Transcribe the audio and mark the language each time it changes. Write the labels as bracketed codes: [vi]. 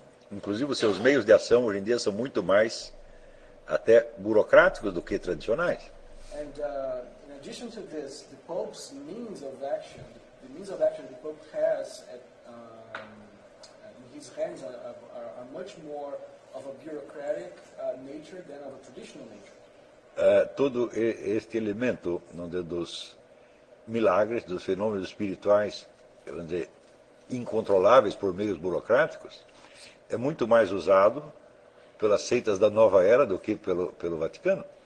[pt] Inclusive os seus meios de ação hoje em dia são muito mais até burocráticos do que tradicionais. [en] And in addition to this, the Pope's means of action, the means of action the Pope has at, in his hands are much more of a bureaucratic nature than of a traditional nature. [pt] Todo este elemento, não é, dos milagres, dos fenômenos espirituais, vamos dizer, incontroláveis por meios burocráticos, é muito mais usado pelas seitas da nova era do que pelo Vaticano.